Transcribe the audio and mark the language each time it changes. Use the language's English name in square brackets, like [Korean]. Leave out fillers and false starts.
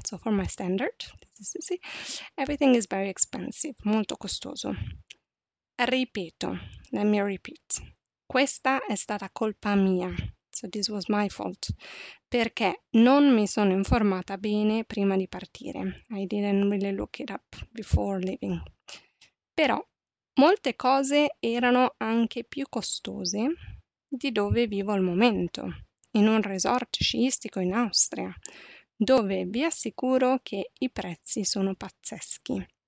[English] So for my standard, everything is very expensive, molto costoso. [Italian] Ripeto, [English] let me repeat. [Italian] Questa è stata colpa mia. [English] So this was my fault. [Italian] Perché non mi sono informata bene prima di partire. [English] I didn't really look it up before leaving. [Italian] Però molte cose erano anche più costose di dove vivo al momento, in un resort sciistico in Austria, dove vi assicuro che i prezzi sono pazzeschi.